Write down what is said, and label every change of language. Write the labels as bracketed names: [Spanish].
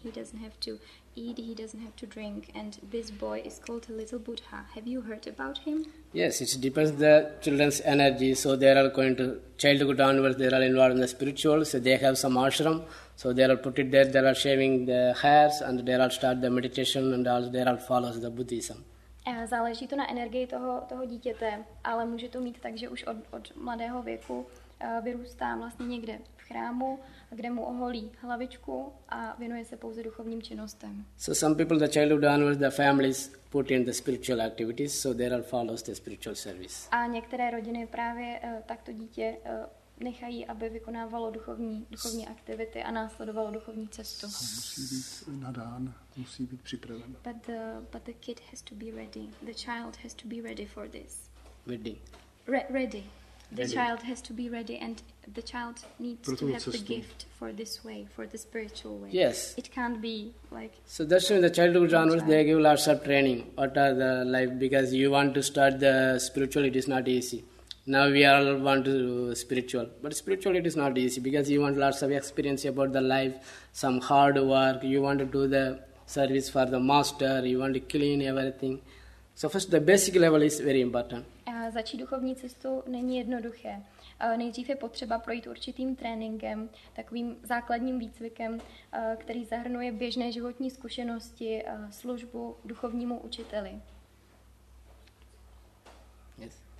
[English] He doesn't have to eat. He doesn't have to drink. And this boy is called a little Buddha. Have you heard about him? Yes, it depends the children's energy. So they are going to childhood onwards. They are involved in the spiritual. So they have some ashram. So they are put it there. They are shaving the hairs, and they are start the meditation, and also they are follow the Buddhism. [Czech] Záleží to na energii toho dítěte, ale může to mít tak, že už od mladého věku vyrůstá vlastně někde v chrámu, kde mu oholí hlavičku a věnuje se pouze duchovním činnostem. [English] So some people the childhood onwards the families put in the spiritual activities, so they are follows the spiritual service. [Czech] A některé rodiny právě takto dítě nechají, aby vykonávalo duchovní aktivity a následovalo duchovní cestu. Musí být nadán, musí být připraven. [English] But the kid has to be ready. The child has to be ready for this. Ready. Ready. The ready. Child has to be ready and the child needs to have [Czech] cestu. [English] The gift for this way, for the spiritual way. Yes. It can't be like... So that's when the childhood onwards, they give lots of training. What are the life? Because you want to start the spiritual, it is not easy. Now we all want to spiritual, but spiritual it is not easy because you want lots of experience about the life, some hard work, you want to do the service for the master, you want to clean everything. So first the basic level is very important. [Czech] Začít duchovní cestu není jednoduché. Nejdřív je potřeba projít určitým tréninkem, takovým základním výcvikem, který zahrnuje běžné životní zkušenosti, službu duchovnímu učiteli. [English] Yes.